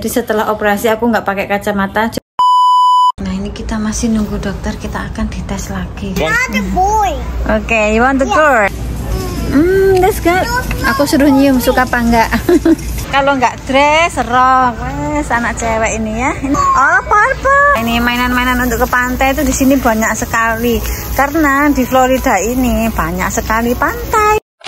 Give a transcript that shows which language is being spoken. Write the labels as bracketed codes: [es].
[id] Jadi setelah operasi aku nggak pakai kacamata. Nah ini kita masih nunggu dokter, kita akan dites lagi. [en] Oke, okay, you want the tour? Hmm, that's good. [id] Aku suruh nyium, suka apa enggak? Kalau nggak dress, rock. Wes, anak cewek ini ya. Oh, purple. Ini mainan-mainan untuk ke pantai itu di sini banyak sekali. Karena di Florida ini banyak sekali pantai.